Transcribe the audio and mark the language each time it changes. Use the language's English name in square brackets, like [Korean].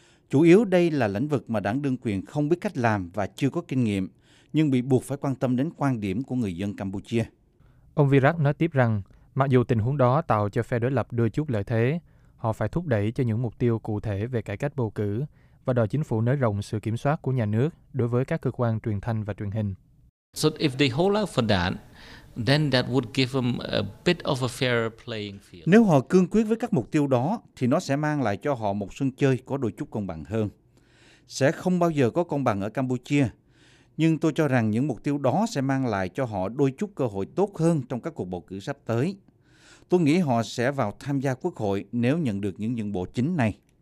[Vietnamese] Chủ yếu đây là lĩnh vực mà đảng đương quyền không biết cách làm và chưa có kinh nghiệm, nhưng bị buộc phải quan tâm đến quan điểm của người dân Campuchia. Ông Virat nói tiếp rằng, mặc dù tình huống đó tạo cho phe đối lập đôi chút lợi thế, họ phải thúc đẩy cho những mục tiêu cụ thể về cải cách bầu cử và đòi chính phủ nới rộng sự kiểm soát của nhà nước đối với các cơ quan truyền thanh và truyền hình. [English] So if they hold out for that, then that would give them a bit of a fair playing field. [Vietnamese] Nếu họ cương quyết với các mục tiêu đó, thì nó sẽ mang lại cho họ một sân chơi có đôi chút công bằng hơn. Sẽ không bao giờ có công bằng ở Campuchia, nhưng tôi cho rằng những mục tiêu đó sẽ mang lại cho họ đôi chút cơ hội tốt hơn trong các cuộc bầu cử sắp tới. Tôi nghĩ họ sẽ vào tham gia quốc hội nếu nhận được những nhượng bộ chính này.